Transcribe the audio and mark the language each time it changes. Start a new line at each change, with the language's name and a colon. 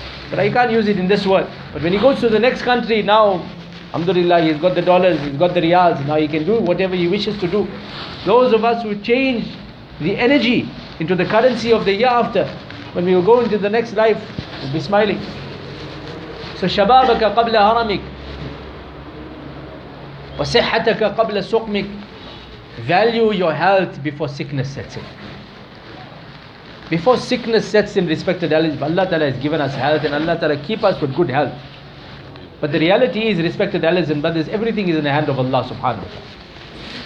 English: But he can't use it in this world. But when he goes to the next country, now, alhamdulillah, he's got the dollars, he's got the riyals. Now he can do whatever he wishes to do. Those of us who change the energy into the currency of the year after, when we will go into the next life, we'll be smiling.
Arabic: So, شبابك قبل حرمك. وَصِحَّتَكَ قَبْلَ سُقْمِكَ.
English: Value your health before sickness sets in. Before sickness sets in, respected elders, Allah Ta'ala has given us health, and Allah Ta'ala keep us with good health. But the reality is, respected elders and brothers, everything is in the hand of Allah Subhanahu wa Ta'ala.